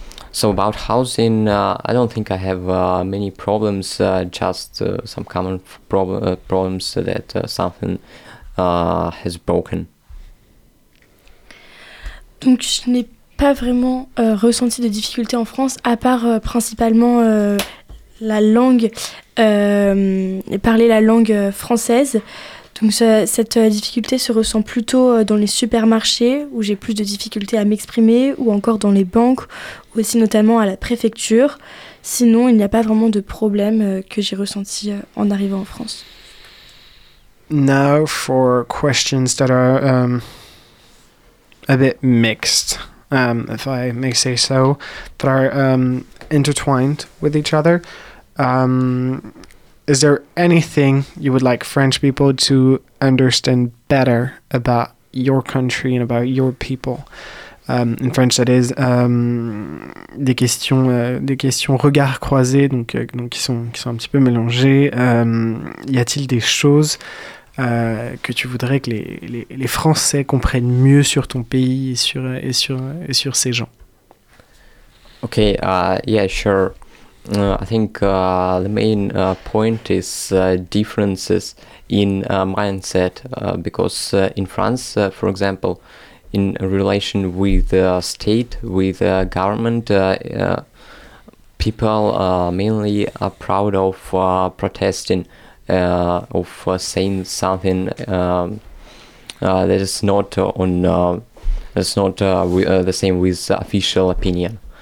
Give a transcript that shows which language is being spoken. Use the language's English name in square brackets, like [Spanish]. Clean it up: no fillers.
[English] So about housing, I don't think I have many problems, just some common problems that something has broken. [French] Donc je n'ai pas vraiment ressenti de difficultés en France, à part principalement la langue, parler la langue française. Donc cette difficulté se ressent plutôt dans les supermarchés, où j'ai plus de difficultés à m'exprimer, ou encore dans les banques, ou aussi notamment à la préfecture. Sinon, il n'y a pas vraiment de problème que j'ai ressenti en arrivant en France. [English] Now for questions that are a bit mixed, if I may say so, that are intertwined with each other. Is there anything you would like French people to understand better about your country and about your people? In French, that is [French] des questions regards croisés, donc qui sont un petit peu mélangés. Y a-t-il des choses que tu voudrais que les Français comprennent mieux sur ton pays et sur ces gens? [English] Okay, yeah, sure. I think the main point is differences in mindset, because in France, for example, in relation with the state, with the government, people mainly are proud of protesting, of saying something that is not on, that's not the same with official opinion.